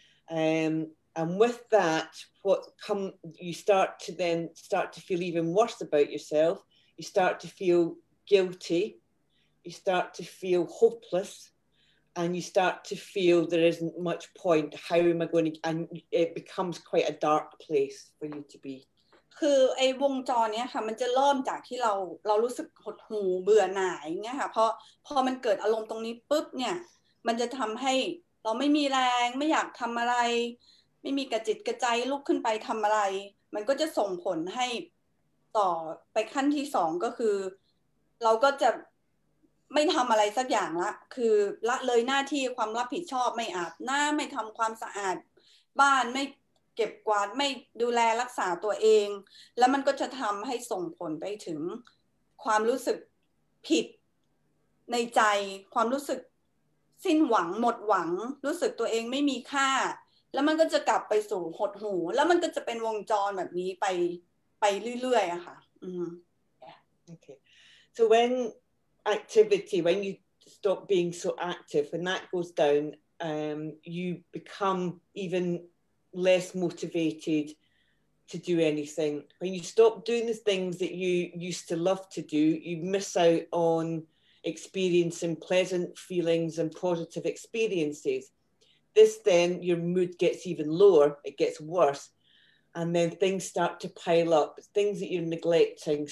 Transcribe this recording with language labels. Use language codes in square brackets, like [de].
[en] And with that, you start to then start to feel even worse about yourself. You start to feel guilty. You start to feel hopeless. And you start to feel there isn't much point. How am I going to, and it becomes quite a dark place for you to be. [th] คือไอ้วงจรเนี้ยค่ะมันจะเริ่มจากที่เรารู้สึกหดหู่เบื่อหน่ายเงี้ยค่ะพอมันเกิดอารมณ์ตรงนี้ปุ๊บเนี่ยมันจะทําให้เราไม่มีแรงไม่อยากทําอะไรไม่มีกระจิตกระใจลุกขึ้นไปทําอะไรมันก็จะส่งผลให้ต่อไปขั้นที่2ก็คือเราก็จะ ไม่ทําอะไรสักอย่างละคือละเลยหน้าที่ความรับผิดชอบไม่อาบน้ําไม่ทําความสะอาดบ้านไม่เก็บกวาดไม่ดูแลรักษาตัวเองแล้วมันก็จะทำให้ส่งผลไปถึงความรู้สึกผิดในใจความรู้สึกสิ้นหวังหมดหวังรู้สึกตัวเองไม่มีค่า แล้วมันก็จะกลับไปสู่หดหูแล้วมันก็จะเป็นวงจรแบบนี้ไปเรื่อยๆอะค่ะ [en] โอเค so when activity when you stop being so active when that goes down you become even less motivated to do anything when you stop doing the things that you used to love to do you miss out on experiencing pleasant feelings and positive experiences this then your mood gets even lower it gets worse And then things start to pile up, things that you're neglecting.